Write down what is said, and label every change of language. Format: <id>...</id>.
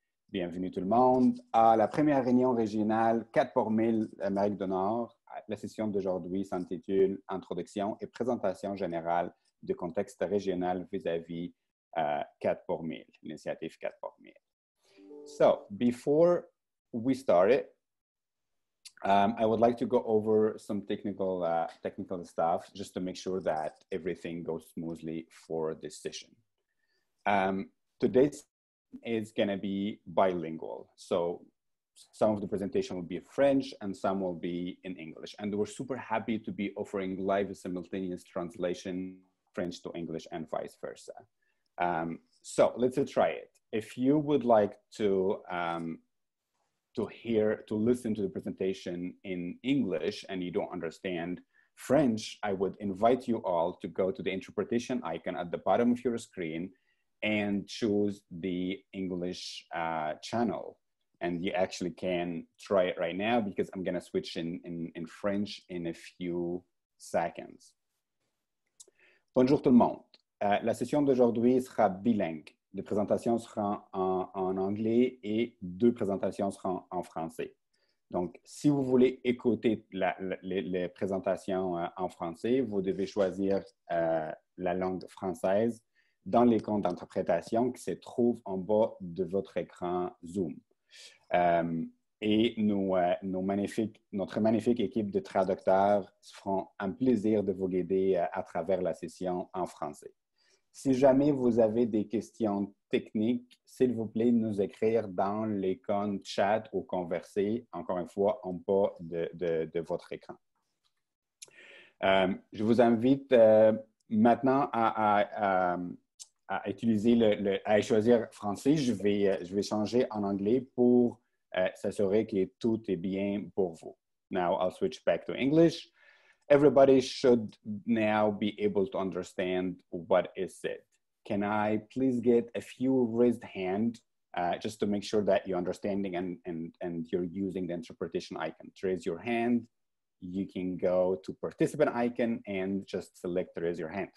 <fr>Bienvenue tout le monde à la première réunion régionale 4 per 1,000 Amérique du Nord. La session d'aujourd'hui s'intitule Introduction et présentation générale du contexte régional vis-à-vis 4 per 1,000, l'initiative 4 per 1,000.</fr> <en>So, before we start it, I would like to go over some technical stuff just to make sure that everything goes smoothly for this session. Today's is going to be bilingual. So some of the presentation will be in French and some will be in English. And we're super happy to be offering live simultaneous translation, French to English and vice versa. So let's try it. If you would like to listen to the presentation in English and you don't understand French, I would invite you all to go to the interpretation icon at the bottom of your screen and choose the English channel. And you actually can try it right now because I'm gonna switch in French in a few seconds.</en> <fr>Bonjour tout le monde. La session d'aujourd'hui sera bilingue. Les présentations seront en anglais et 2 présentations seront en français. Donc, si vous voulez écouter les présentations en français, vous devez choisir la langue française dans l'icône d'interprétation qui se trouve en bas de votre écran Zoom. Et notre magnifique équipe de traducteurs se feront un plaisir de vous guider à travers la session en français. Si jamais vous avez des questions techniques, s'il vous plaît, nous écrire dans l'icône chat ou converser, encore une fois, en bas de votre écran. Je vous invite maintenant à choisir français. Je vais changer en anglais pour s'assurer que tout est bien pour vous.</fr> <en>Now, I'll switch back to English. Everybody should now be able to understand what is said. Can I please get a few raised hands just to make sure that you're understanding and you're using the interpretation icon. To raise your hand, you can go to participant icon and just select to raise your hand.</en>